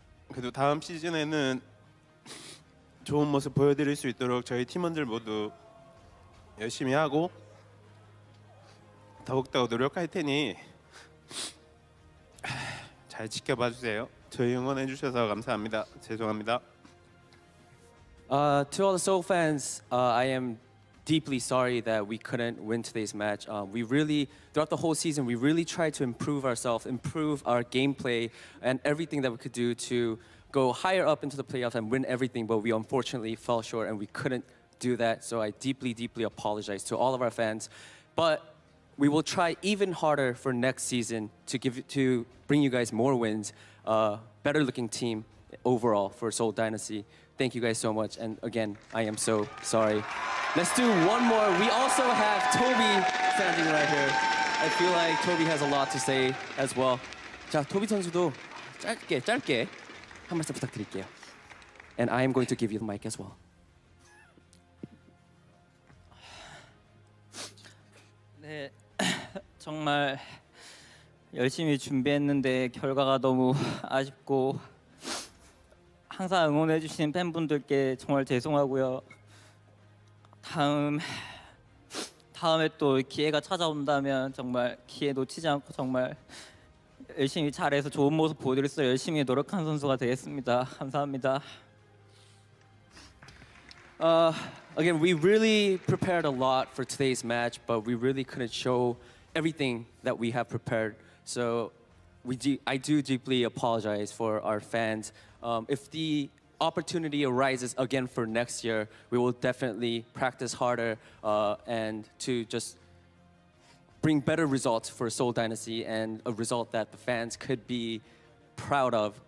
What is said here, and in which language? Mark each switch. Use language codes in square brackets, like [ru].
[ko] 그래도 다음 시즌에는 좋은 모습 보여드릴 수 있도록 저희 팀원들 모두 열심히 하고 더욱더 노력할 테니 잘 지켜봐 주세요. 저희 응원해 주셔서 감사합니다. 죄송합니다. [en] To all the Seoul fans, I am deeply sorry that we couldn't win today's match. We really, throughout the whole season, we really tried to improve ourselves, improve our gameplay and everything that we could do to go higher up into the playoffs and win everything, but we unfortunately fell short and we couldn't do that. So I deeply, deeply apologize to all of our fans. But we will try even harder for next season to bring you guys more wins, better looking team overall for Seoul Dynasty. Thank you guys so much. And again, I am so sorry. Let's do one more. We also have Toby standing right here. I feel like Toby has a lot to say as well. [ko] 자, 토비 선수도 짧게 한 말씀 부탁드릴게요. [en] And I am going to give you the mic as well. [ko] 네, 정말 열심히 준비했는데 결과가 너무 아쉽고 항상 응원해주신 팬분들께 정말 죄송하고요. 다음에 또 기회가 찾아온다면 정말 기회 놓치지 않고 정말 열심히 잘해서 좋은 모습 보여드릴 수 있도록 열심히 노력한 선수가 되겠습니다. 감사합니다. [en] Again, we really prepared a lot for today's match, but we really couldn't show everything that we have prepared. So I do deeply apologize for our fans. If the opportunity arises again for next year, we will definitely practice harder and to just bring better results for Seoul Dynasty and a result that the fans could be proud of.